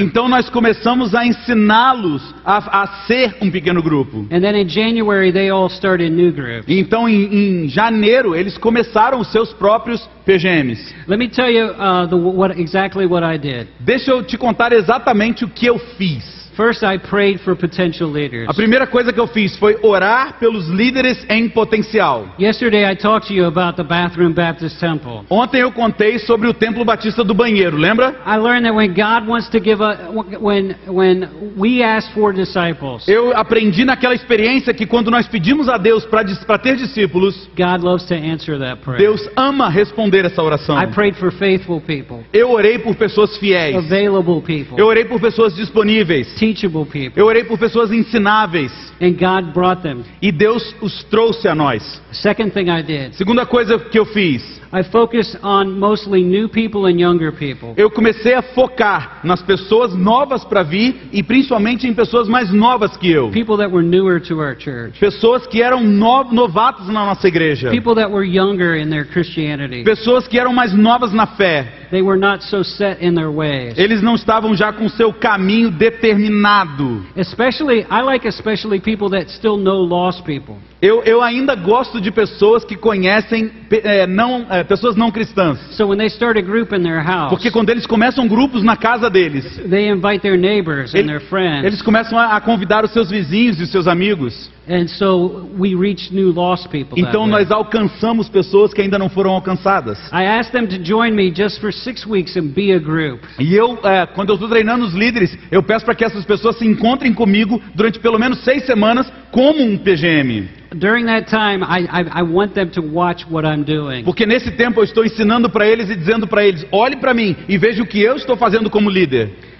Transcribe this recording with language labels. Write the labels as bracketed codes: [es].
[pt] Então nós começamos a ensiná-los a ser um pequeno grupo. [en] And then in January they all started new groups. [pt] Então em janeiro eles começaram os seus próprios PGMs. [en] Let me tell you exactly what I did. [pt] Deixa eu te contar exatamente o que eu fiz. [en] First I prayed for potential leaders. [pt] A primeira coisa que eu fiz foi orar pelos líderes em potencial. [en] Yesterday I talked to you about the bathroom Baptist temple. [pt] Ontem eu contei sobre o templo batista do banheiro, lembra? [en] I learned that when God wants to give when we ask for disciples. [pt] Eu aprendi naquela experiência que quando nós pedimos a Deus para ter discípulos, [en] God loves to answer that prayer. [pt] Deus ama responder essa oração. [en] I prayed for faithful people. [pt] Eu orei por pessoas fiéis. [en] Available people. [pt] Eu orei por pessoas disponíveis. [en] Teachable people. [pt] Eu orei por pessoas ensináveis. [en] And God brought them. [pt] E Deus os trouxe a nós. [en] Second thing I did. [pt] Segunda coisa que eu fiz. [en] I focused on mostly new people and younger people. [pt] Eu comecei a focar nas pessoas novas para vir e principalmente em pessoas mais novas que eu. [en] People that were newer to our church. [pt] Pessoas que eram novatos na nossa igreja. [en] People that were younger in their Christianity. [pt] Pessoas que eram mais novas na fé. [en] They were not so set in their ways. [pt] Eles não estavam já com seu caminho determinado. [en] Especially, I like especially people that still know lost people. [pt] Eu ainda gosto de pessoas que conhecem pessoas não cristãs. [en] So when they start a group in their house, [pt] porque quando eles começam grupos na casa deles, [en] they invite their neighbors and their friends. [pt] Eles começam a convidar os seus vizinhos e os seus amigos. [en] And so we reach new lost people. [pt] Então nós alcançamos pessoas que ainda não foram alcançadas. [en] I asked them to join me just for 6 weeks and be a group. [pt] E eu, quando eu estou treinando os líderes, eu peço para que essas pessoas se encontrem comigo durante pelo menos 6 semanas como um PGM. [en] During that time, I want them to watch what I'm doing. [pt] Porque nesse tempo eu estou ensinando para eles e dizendo para eles: olhe para mim e veja o que eu estou fazendo como líder.